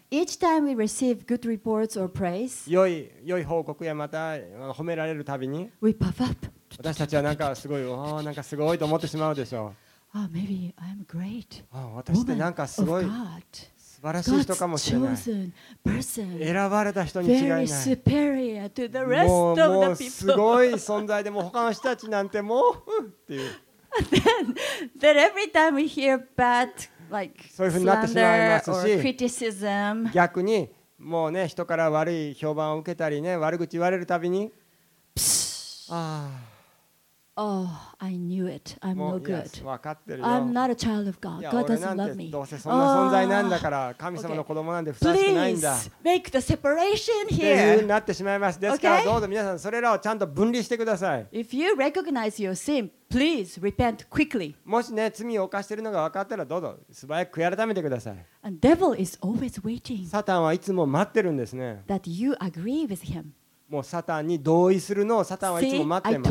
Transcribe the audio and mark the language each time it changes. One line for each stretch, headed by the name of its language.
English: each time we receive good reports or praise,
Japanese: 良い報告やまた褒められるたびに、
English: we puff up.
Japanese: 私たちはなんかすごい、おー、なんかすごいと思ってしまうでしょう。
English: Oh, maybe I'm great.
Japanese: 私ってなんかすごい。素晴らしい人かもしれない。選ばれた人に違いない。
English: Very superior to the rest of the people.
Japanese: もうすごい存在で、もう他の人たちなんてもうっていう。
English: Then every time we hear bad like slander or criticism,
Japanese: 逆にもうね、人から悪い評判を受けたりね、悪口言われるたびに、
English: Oh, I knew it. I'm no good.
Japanese: わかってる
English: よ。I'm not a child of God. God doesn't love me.
Japanese: どうせそんな存在なんだから、神様の子供なんでふさわしくないんだ。
English: Please make the separation here.
Japanese: っていうなってしまいます。ですからどうぞ皆さんそれらをちゃんと分離してください。
English: If you recognize your sin, please repent quickly.
Japanese: もしね罪を犯しているのがわかったらどうぞ素早く悔い改めてください。
English: And devil is always waiting.
Japanese: サタンはいつも待ってるんですね。
English: That you agree with him.
Japanese: もうサタンに同意するのをサタンはいつも待ってます。